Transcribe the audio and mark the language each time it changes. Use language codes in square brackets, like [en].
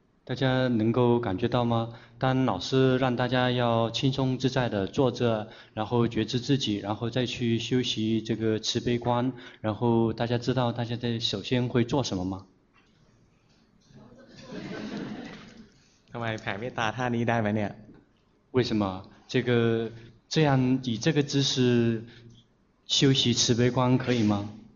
[zh] 大家能够感觉到吗当老师让大家要轻松自在的坐着然后觉知自己然后再去修习这个慈悲观然后大家知道大家在首先会做什么吗 [th] ทำไมแผ่เมตตาท่านี้ได้ไหมเนี่ย [zh] 为什么这个这样以这个姿势修习慈悲观可以吗